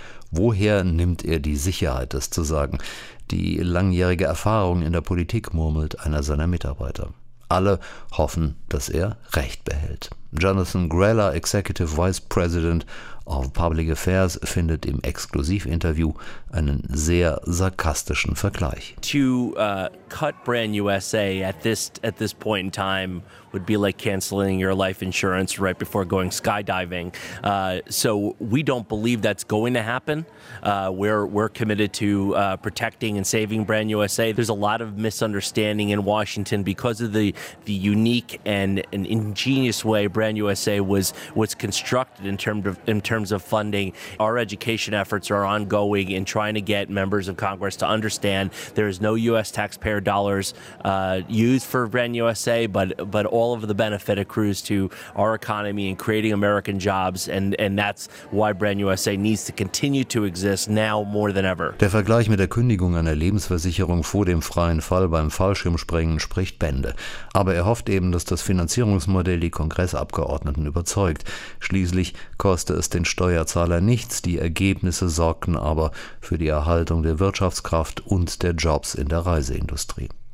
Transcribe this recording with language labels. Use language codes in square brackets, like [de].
[de] Woher nimmt er die Sicherheit, das zu sagen? Die langjährige Erfahrung in der Politik, murmelt einer seiner Mitarbeiter. Alle hoffen, dass er Recht behält. Jonathan Greller, Executive Vice President of Public Affairs, findet im Exklusivinterview einen sehr sarkastischen Vergleich. [en] To cut Brand USA at this point in time would be like canceling your life insurance right before going skydiving. So we don't believe that's going to happen. We're committed to protecting and saving Brand USA. There's a lot of misunderstanding in Washington because of the unique and ingenious way Brand USA was constructed in terms of funding. Our education efforts are ongoing in trying to get members of Congress to understand there is no U.S. taxpayer dollars used for Brand USA, but all of the benefit accrues to our economy and creating American jobs, and that's why Brand USA needs to continue to exist now more than ever. [de] Der Vergleich mit der Kündigung einer Lebensversicherung vor dem freien Fall beim Fallschirmspringen spricht Bände. Aber er hofft eben, dass das Finanzierungsmodell die Kongressabgeordneten überzeugt. Schließlich koste es den Steuerzahler nichts, die Ergebnisse sorgten aber für die Erhaltung der Wirtschaftskraft und der Jobs in der Reiseindustrie.